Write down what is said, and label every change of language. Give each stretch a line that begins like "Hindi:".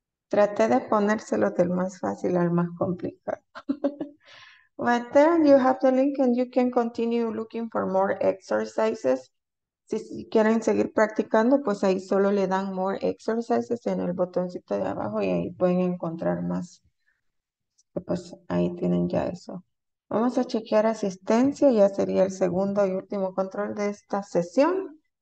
Spanish: Traté de ponérselo del más fácil al más complicado.
English: But then you have the link and you can continue looking for more exercises.
Spanish: Si quieren seguir practicando, pues ahí solo le dan
English: more exercises
Spanish: en el botoncito de abajo y ahí pueden encontrar más. Pues ahí tienen ya eso. Vamos a chequear asistencia, ya sería el segundo y último control de esta sesión.